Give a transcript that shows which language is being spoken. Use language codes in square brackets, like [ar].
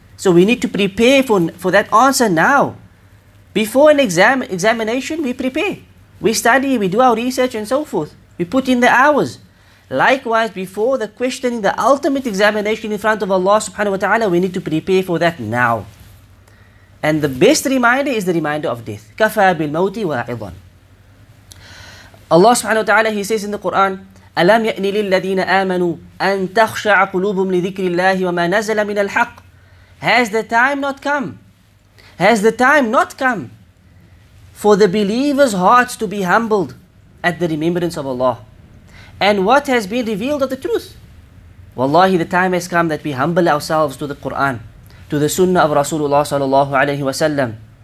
[en] So we need to prepare for that answer now. Before an examination, we prepare. We study, we do our research and so forth. We put in the hours. Likewise, before the questioning, the ultimate examination in front of Allah subhanahu wa ta'ala, we need to prepare for that now. And the best reminder is the reminder of death. [ar] كَفَى بِالْمَوْتِ وَاعِظًا. Allah subhanahu wa ta'ala, [en] he says in the Quran, [ar] أَلَمْ يَأْنِ لِلَّذِينَ آمَنُوا أَن تَخْشَعَ قُلُوبُهُمْ لِذِكْرِ اللَّهِ وَمَا نَزَلَ مِنَ الْحَقِّ. [en] Has the time not come? Has the time not come for the believers' hearts to be humbled at the remembrance of Allah? And what has been revealed of the truth? Wallahi, the time has come that we humble ourselves to the Quran, to the Sunnah of Rasulullah sallallahu alayhi wa sallam.